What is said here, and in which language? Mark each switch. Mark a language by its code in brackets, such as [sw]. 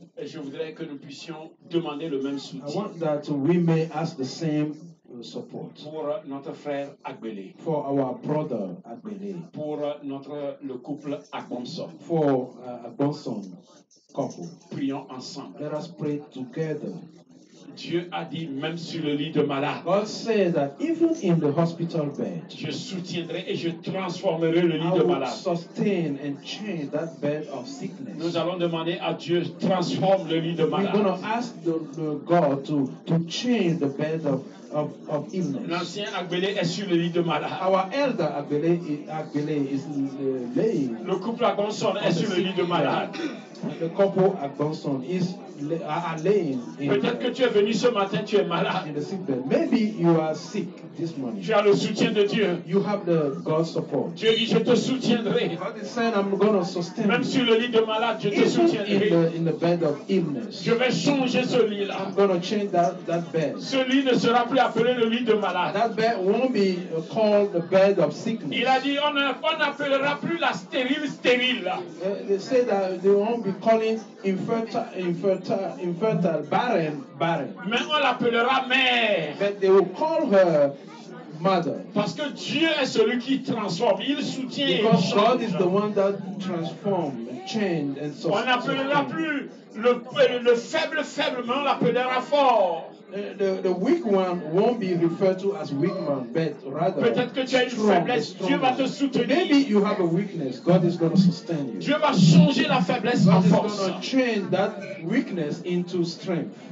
[fr] Et je voudrais que nous puissions demander le même soutien. [en] I want that we may ask the same support. [fr] Pour notre frère Agbélé. [en] For our brother Agbélé. [fr] Pour le couple Agbonson. [en] For Agbonson couple. [fr] Prions ensemble. [en] Let us pray together. [fr] Dieu a dit même sur le lit de malade. [en] God said that even in the hospital bed. [fr] Je soutiendrai et je transformerai le lit [en] I [fr] de malade. [en] I will sustain and change that bed of sickness. [fr] Nous allons demander à Dieu transforme le lit de malade. [en] We're going to ask the God to change the bed of illness. [fr] L'ancien Agbélé est sur le lit de malade. [en] Our elder Agbélé is laying. [fr] Le couple Agbonson est sur le lit de malade. [en] The couple Agbonson is laying. [fr] Peut-être que tu es venu ce matin, tu es malade. [en] In the sick bed. Maybe you are sick this morning. [fr] Tu as le soutien de Dieu. [en] You have the God's support. [fr] Dieu dit je te soutiendrai. [en] God is saying I'm going to sustain. [fr] Même sur le lit de malade, je [en] even [fr] te soutiendrai. [en] In the bed of illness. [fr] Je vais changer ce lit là. [en] I'm going to change that bed. [fr] Ce lit ne sera plus appelé le lit de malade. [en] That bed won't be called the bed of sickness. [fr] Il a dit on n'appellera plus la stérile. [en] They say that they won't be calling infertile, barren. [fr] Mais on l'appellera mère. [en] But they will call her mother. [fr] Parce que Dieu est celui qui transforme, il soutient. [en] Because God is the one that transforms, changes, and so [fr] on n'appellera plus le faible, mais on l'appellera fort. [en] The weak one won't be referred to as weak man, but rather [fr] peut-être que tu as une faiblesse, Dieu va te soutenir. [en] Maybe you have a weakness, God is going to sustain you. [fr] Dieu va changer la faiblesse [en] God [fr] en force. [en] God is going to change that weakness into strength.